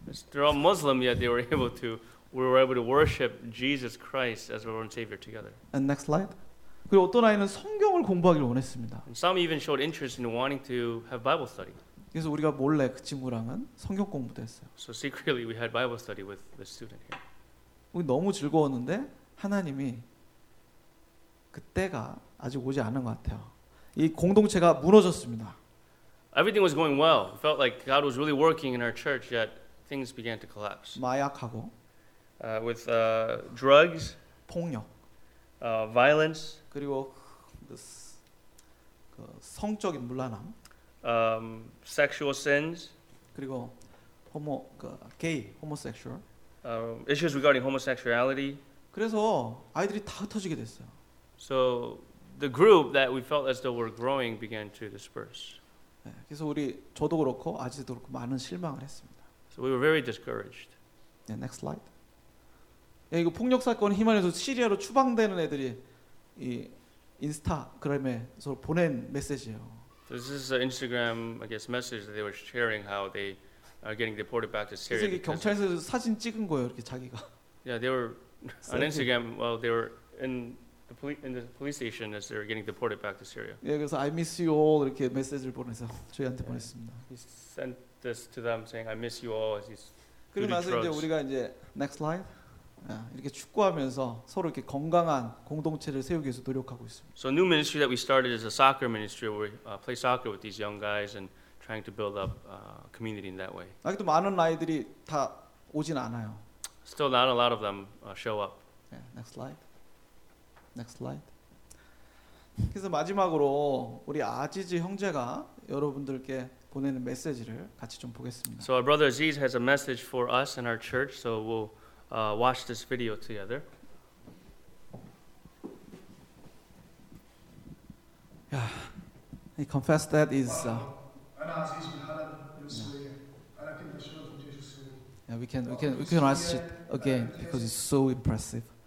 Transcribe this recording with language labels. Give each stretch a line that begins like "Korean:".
English: They're all Muslim, yet they were able to. We were able to worship Jesus Christ as our Lord and Savior together. And next slide.
Korean: 그리고 어떤 아이는 성경을 공부하기를 원했습니다.
English: And some even showed interest in wanting to have Bible study.
Korean: 그래서 우리가 몰래 그 친구랑은 성경 공부도 했어요.
English: So secretly we had Bible study with the student here.
Korean: 우리 너무 즐거웠는데 하나님이 그때가 아직 오지 않은 것 같아요. 이 공동체가 무너졌습니다.
English: Everything was going well. It felt like God was really working in our church, yet things began to collapse.
Korean: 마약하고.
English: With drugs,
Korean: 폭력,
English: violence,
Korean: 그리고 그 성적인 문란함,
English: sexual sins,
Korean: 그리고 homo, 그
English: gay, homosexual, issues regarding homosexuality.
Korean: 그래서 아이들이 다 흩어지게 됐어요.
English: So the group that we felt as though were growing began to disperse.
Korean: 그래서 우리 저도 그렇고 아지도 그렇고 많은 실망을 했습니다.
English: So we were very discouraged. Yeah, next slide.
Korean: 예, 이거 폭력 사건 희망에서 시리아로 추방되는 애들이 이 인스타그램에서 보낸 메시지예요.
English: So this is an Instagram, I guess, message that they were sharing how they are getting deported back to Syria.
Korean: 그래서 이게 경찰서 사진 찍은 거예요, 이렇게 자기가.
English: Yeah, they were on Instagram while they were in the police station as they were getting deported back to Syria.
Korean: 예, 그래서
English: I miss you all
Korean: 이렇게 메시지를 보내서 저희한테 yeah. 보냈습니다.
English: He sent this to them saying I miss you all as he's.
Korean: 그리고 나서 이제 우리가 이제
English: next slide.
Korean: 이렇게 축구하면서 서로 이렇게 건강한 공동체를 세우기 위해서 노력하고 있습니다.
English: So a new ministry that we started is a soccer ministry where we play soccer with these young guys and trying to build up community in that way.
Korean: 아직도 많은 아이들이 다 오진 않아요.
English: Still not a lot of them show up. Yeah, next slide. Next slide.
Korean: 그래서 마지막으로 우리 아지즈 형제가 여러분들께 보내는 메시지를 같이 좀 보겠습니다.
English: So our brother Aziz has a message for us and our church, so we'll watch this video together. 야, he confessed that is. Yeah, we can watch it again because it's so impressive.